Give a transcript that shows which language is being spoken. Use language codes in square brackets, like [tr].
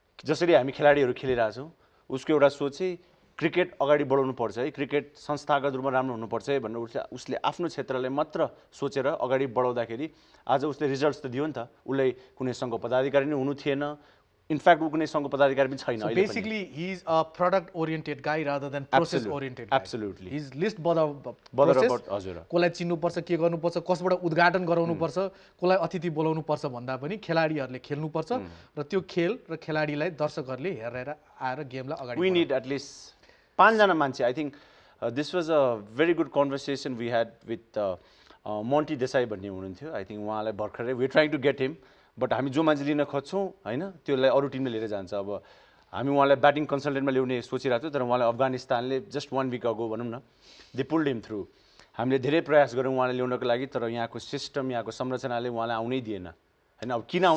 [ne] जसरी हामी खेलाडीहरू खेलिरहेछौँ उसको एउटा सोच चाहिँ क्रिकेट अगाडि बढाउनु पर्छ है क्रिकेट संस्थागत रूपमा राम्रो हुनुपर्छ है भनेर उसले आफ्नो क्षेत्रलाई मात्र सोचेर अगाडि बढाउँदाखेरि आज उसले रिजल्ट त दियो नि त उसलाई कुनै सङ्घको पदाधिकारी नै हुनु थिएन इनफ्याक्ट ऊ कुनै सङ्घको पदाधिकारी पनि छैन [en] basically he is a product oriented guy rather than process oriented absolutely he is least bother [ne] हजुर कसलाई चिन्नुपर्छ के गर्नुपर्छ कसबाट उद्घाटन गराउनुपर्छ कसलाई अतिथि बोलाउनुपर्छ भन्दा पनि खेलाडीहरूले खेल्नुपर्छ र त्यो खेल र खेलाडीलाई दर्शकहरूले हेरेर आएर गेमलाई अगाडि [en] we need at least [ne] पाँचजना मान्छे [en] I think this was a very good conversation we had with Monty [ne] Desai भन्ने हुनुहुन्थ्यो आई थिङ्क उहाँलाई भर्खरै [en] we trying to get him but [ne] हामी जो मान्छे लिन खोज्छौँ होइन त्यसलाई अरू टिमले लिएर जान्छ अब हामी उहाँलाई ब्याटिङ कन्सल्टेन्टमा ल्याउने सोचिरहेको थियो तर उहाँलाई अफगानिस्तानले [en] just one week ago [ne] भनौँ न [en] they pulled him through [ne] हामीले धेरै प्रयास गऱ्यौँ उहाँलाई ल्याउनको लागि तर यहाँको सिस्टम यहाँको संरचनाले उहाँलाई आउनै दिएन होइन अब किन